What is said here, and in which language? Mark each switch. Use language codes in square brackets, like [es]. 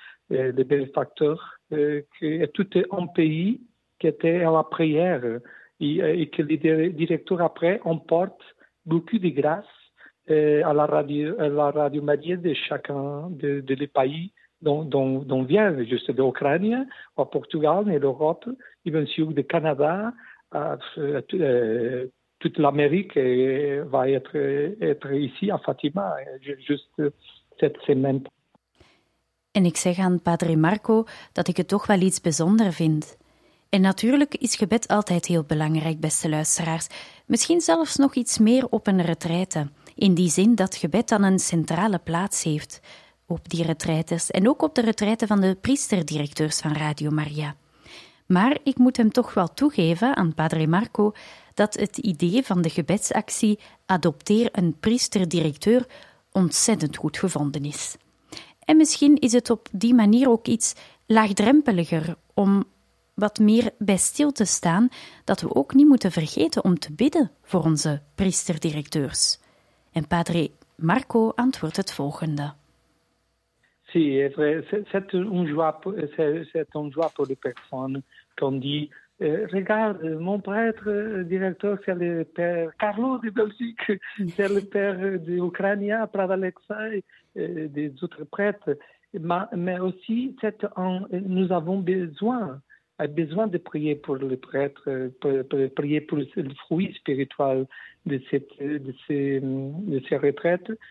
[fr] bénéfacteurs, que tout un pays qui était à la prière, et que les directeurs après emportent beaucoup de grâce à la radio Maria de chacun de les pays dont viennent, juste de l'Ukraine, au Portugal, mais l'Europe, et bien sûr du Canada, toute l'Amérique va être ici à Fatima, juste cette semaine. [nl] En ik zeg aan Padre Marco dat ik het toch wel iets bijzonder vind. En natuurlijk is gebed altijd heel belangrijk, beste luisteraars. Misschien zelfs nog iets meer op een retraite. In die zin dat gebed dan een centrale plaats heeft op die retraites en ook op de retraite van de priesterdirecteurs van Radio Maria. Maar ik moet hem toch wel toegeven aan Padre Marco dat het idee van de gebedsactie Adopteer een priesterdirecteur ontzettend goed gevonden is. En misschien is het op die manier ook iets laagdrempeliger om wat meer bij stil te staan dat we ook niet moeten vergeten om te bidden voor onze priesterdirecteurs. En Padre Marco antwoordt het volgende. [it] Sì, è vero, c'è un [fr] joie [it] per le persone [fr] qu'on dit regarde mon prêtre directeur c'est le père Carlo de Belgique, c'est le père de Ukraine, Prad Alexei, des autres prêtres, mais aussi nous avons besoin de prier pour les prêtres, pour prier pour le fruit spirituel de ces retraites.